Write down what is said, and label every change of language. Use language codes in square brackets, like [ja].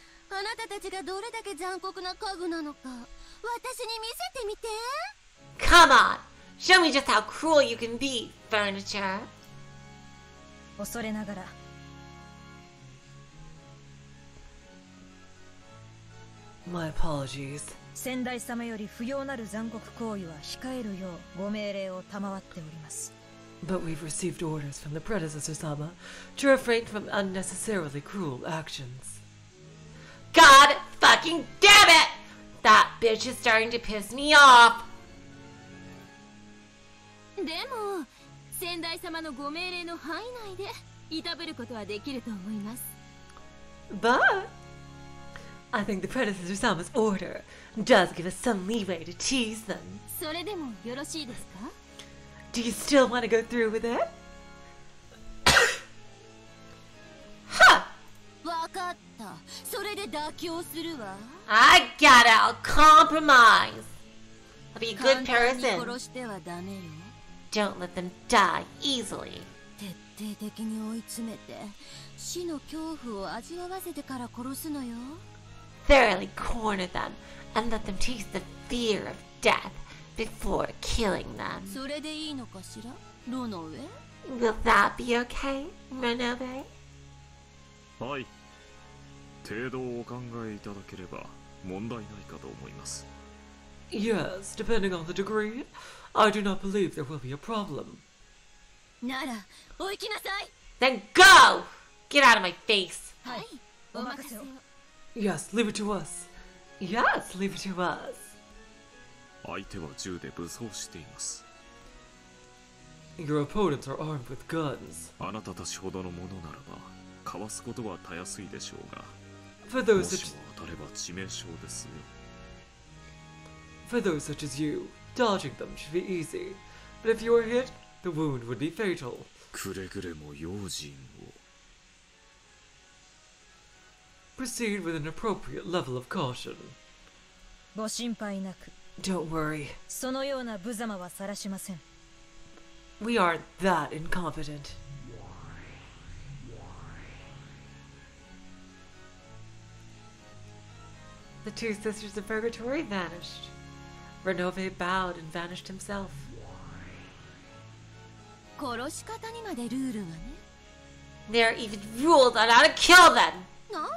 [ja] あなたたちがどれだけ残酷な家具なのか、私に見せてみて! [en] Come on! Show me just how cruel you can be, furniture! [ja] 恐れながら。 [en] My apologies. [ja] 先代様より不要なる残酷行為は控えるようご命令を賜っております。 [en] But we've received orders from the predecessor-sama to refrain from unnecessarily cruel actions. God fucking damn it! That bitch is starting to piss me off! [ja] でも、先代様のご命令の範囲内で、いたぶることはできると思います。 [en] But... I think the predecessor-sama's order does give us some leeway to tease them. [ja] それでもよろしいですか? [en] Do you still want to go through with it? [ja] Ha! わかった。それで妥協するわ。 [en] I get it. I'll compromise. I'll be a good person. 簡 [ja] 単に殺してはダメよ。 [en] Don't let them die easily. [ja] 徹底的に追い詰めて、死の恐怖を味わわせてから殺すのよ。 [en] Thoroughly corner them and let them taste the fear of death. Before killing them. [ja] それでいいのかしら、ロノウェ? [en] Will that be okay, Renove? [ja] はい。程度をお考えいただければ問題ないかと思います。 [en] Yes, depending on the degree, I do not believe there will be a problem. [ja] なら、お行きなさい! [en] Then go! Get out of my face! [ja] はい、お任せを。 [en] Yes, leave it to us. Yes, leave it to us. [ja] 相手は銃で武装しています。 [en] Your opponents are armed with guns. [ja] あなたたちほどのものならば、かわすことはたやすいでしょうが。 [en] For those such... [ja] もしも当たれば致命傷ですよ。 [en] For those such as you, dodging them should be easy. But if you are hit, the wound would be fatal. [ja] くれぐれも用心を。 [en] Proceed with an appropriate level of caution. [ja] ご心配なく。 [en] Don't worry. [ja] そのような無様は晒しません。 [en] We aren't that incompetent. The two sisters of Purgatory vanished. Renove bowed and vanished himself. [ja] 殺し方にまでルールがね。 [en] There are even rules on how to kill them!